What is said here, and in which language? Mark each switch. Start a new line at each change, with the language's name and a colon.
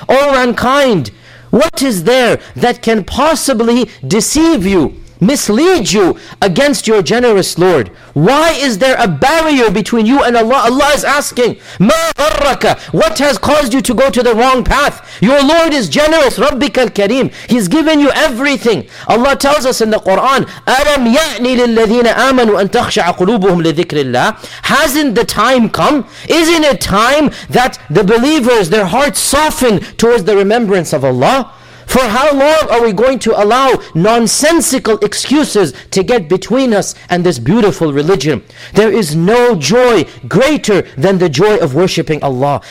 English: O mankind, what is there that can possibly deceive you, mislead you against your generous Lord? Why is there a barrier between you and Allah? Allah is asking,
Arabic: مَا غَرَّكَ,
English: what has caused you to go to the wrong path? Your Lord is generous,
Arabic: رَبِّكَ الْكَرِيمُ,
English: He's given you everything. Allah tells us in the Quran,
Arabic: أَلَمْ يَعْنِ لِلَّذِينَ آمَنُوا أَن تَخْشَعَ قُلُوبُهُمْ لِذِكْرِ اللَّهِ.
English: Hasn't the time come? Isn't it time that the believers, their hearts soften towards the remembrance of Allah? For how long are we going to allow nonsensical excuses to get between us and this beautiful religion? There is no joy greater than the joy of worshipping Allah.